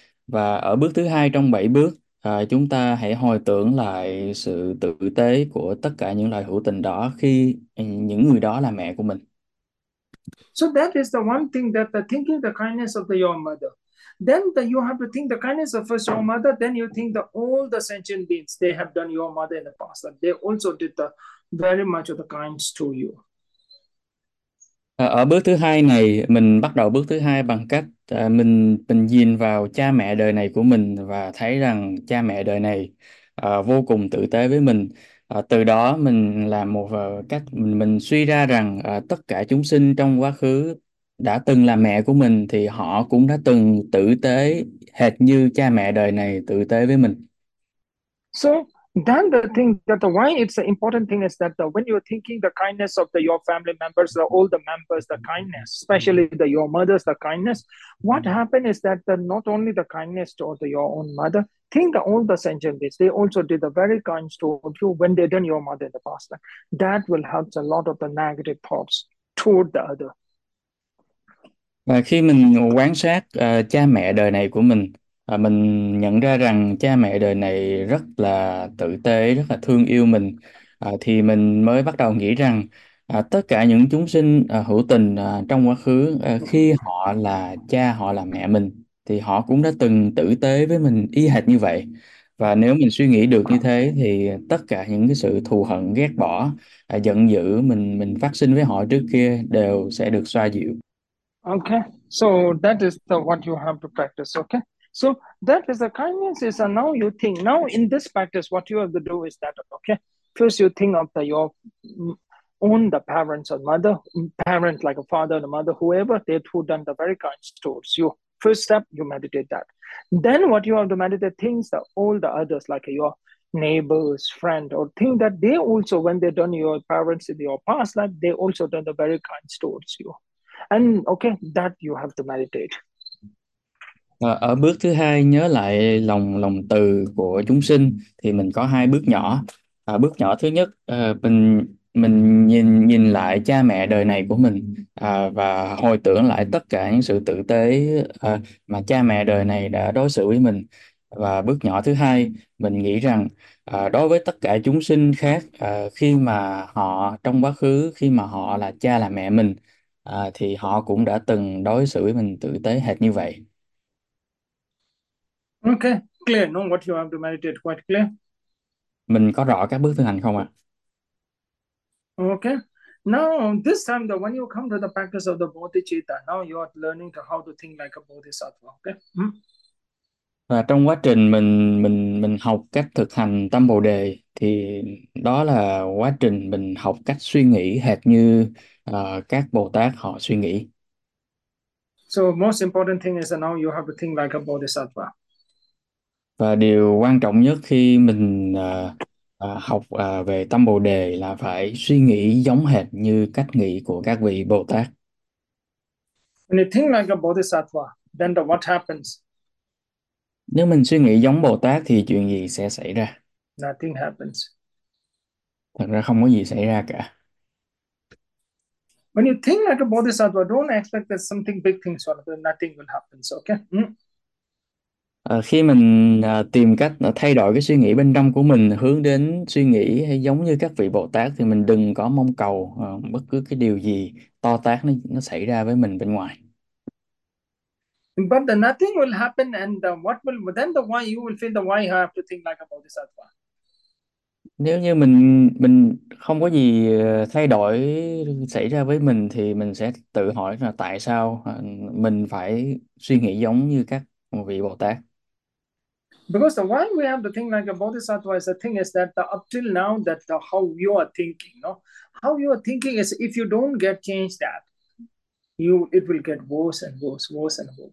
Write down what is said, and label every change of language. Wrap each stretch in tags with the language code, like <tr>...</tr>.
<vi>Và ở bước thứ hai trong 7 bước, chúng ta hãy hồi tưởng lại sự tử tế của tất cả những loài hữu tình đó khi những người đó là mẹ của mình.</vi> <en>So that is the one thing that the thinking the kindness of the your mother. Then the, you have to think the kindness of first your mother. Then you think the all the sentient beings they have done your mother in the past that they also did the very much of the kinds to you.</en> <vi>Ở bước thứ hai này, mình bắt đầu bước thứ hai bằng cách mình nhìn vào cha mẹ đời này của mình và thấy rằng cha mẹ đời này vô cùng tử tế với mình. Từ đó mình làm một cách mình suy ra rằng tất cả chúng sinh trong quá khứ đã từng là mẹ của mình thì họ cũng đã từng tử tế hệt như cha mẹ đời này tử tế với mình.</vi> <en>So then the thing that the why it's an important thing is that the, when you're thinking the kindness of the, your family members, the older members, the kindness, especially the your mother's the kindness, what happened is that the, not only the kindness toward the, your own mother, think the all the sentient beings, they also did the very kind toward you when they done your mother in the past. That will help a lot of the negative thoughts toward the other.</en> <vi>Và khi mình quan sát cha mẹ đời này của mình nhận ra rằng cha mẹ đời này rất là tử tế, rất là thương yêu mình, thì mình mới bắt đầu nghĩ rằng tất cả những chúng sinh hữu tình trong quá khứ, khi họ là cha, họ là mẹ mình, thì họ cũng đã từng tử tế với mình y hệt như vậy. Và nếu mình suy nghĩ được như thế thì tất cả những cái sự thù hận, ghét bỏ, giận dữ mình phát sinh với họ trước kia đều sẽ được xoa dịu.</vi> <en>Okay, so that is the what you have to practice. Okay, so that is the kindness is and now you think now in this practice what you have to do is that okay first you think of the your own the parents or mother parent like a father and a mother whoever they who done the very kind towards you first step you meditate that then what you have to meditate things that all the others like your neighbors friend or think that they also when they done your parents in your past life they also done the very kind towards you. And okay, that you have to meditate.</en> <vi>Ở bước thứ hai, nhớ lại lòng lòng từ của chúng sinh, thì mình có 2 bước nhỏ. Bước nhỏ thứ nhất, mình nhìn nhìn lại cha mẹ đời này của mình, và hồi tưởng lại tất cả những sự tử tế mà cha mẹ đời này đã đối xử với mình. Và bước nhỏ thứ hai, mình nghĩ rằng đối với tất cả chúng sinh khác, khi mà họ trong quá khứ, khi mà họ là cha là mẹ mình, thì họ cũng đã từng đối xử với mình tử tế hệt như vậy.</vi> <en>Okay, clear. Know what you have to meditate quite clear.</en> <vi>Mình có rõ các bước thực hành không ạ?</vi> <en>Okay. Now this time the when you come to the practice of the Bodhicitta, now you are learning how to think like a Bodhisattva. Okay.</en> <vi>Và trong quá trình mình học cách thực hành tâm Bồ đề thì đó là quá trình mình học cách suy nghĩ hệt như các Bồ Tát họ suy nghĩ.</vi> <en>So most important thing is that now you have to think like a Bodhisattva.</en> <vi>Và điều quan trọng nhất khi mình học về tâm Bồ đề là phải suy nghĩ giống hệt như cách nghĩ của các vị Bồ Tát.</vi> <en>When you think like a bodhisattva, then the what happens?</en> <vi>Nếu mình suy nghĩ giống Bồ Tát thì chuyện gì sẽ xảy ra?</vi> <en>Nothing happens.</en> <vi>Thật ra không có gì xảy ra cả.</vi> <en>When you think like a bodhisattva, don't expect that something big things will happen. Nothing will happen. So, okay?</en> <vi>Khi mình tìm cách thay đổi cái suy nghĩ bên trong của mình hướng đến suy nghĩ hay giống như các vị Bồ Tát thì mình đừng có mong cầu bất cứ cái điều gì to tát nó xảy ra với mình bên ngoài.</vi> <en>But the nothing will happen and the, what will then the why you will feel the why I have to think like about this as</en> <vi>Nếu như mình không có gì thay đổi xảy ra với mình thì mình sẽ tự hỏi là tại sao mình phải suy nghĩ giống như các một vị Bồ Tát.</vi> <en>well. Because the why we have to think like a bodhisattva is the thing is that the, up till now that the, how you are thinking, no? How you are thinking is if you don't get changed that. it will get worse and worse, worse and</en>